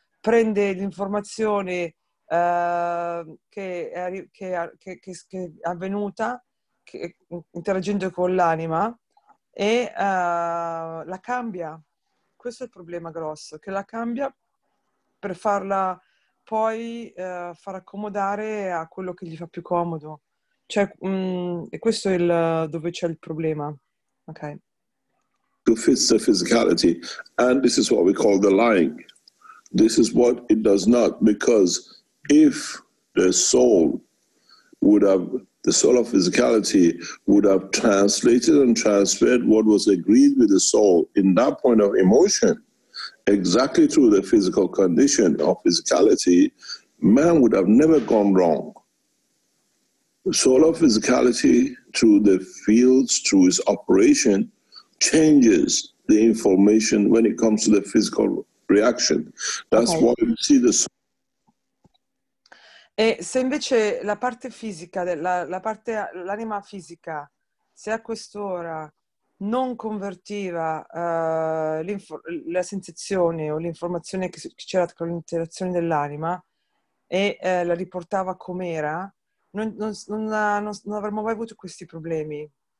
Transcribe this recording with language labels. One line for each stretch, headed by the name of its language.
Italian: Prende l'informazione che è avvenuta interagendo con l'anima e la cambia. Questo è il problema grosso, che la cambia per farla poi far accomodare a quello che gli fa più comodo. Cioè, e questo è il dove c'è il problema. Ok.
English: To fit the physicality. And this is what we call the lying. This is what it does not, because if the soul would have, the soul of physicality would have translated and transferred what was agreed with the soul in that point of emotion, exactly through the physical condition of physicality, man would have never gone wrong. solar physicality through the fields, through its operation, changes the information when it comes to the physical reaction. That's okay. Why we see the solar.
Italian: E se invece la parte fisica, la parte, l'anima fisica, se a quest'ora non convertiva la sensazione o l'informazione che c'era con l'interazione dell'anima e la riportava com'era, non avremmo mai avuto questi problemi.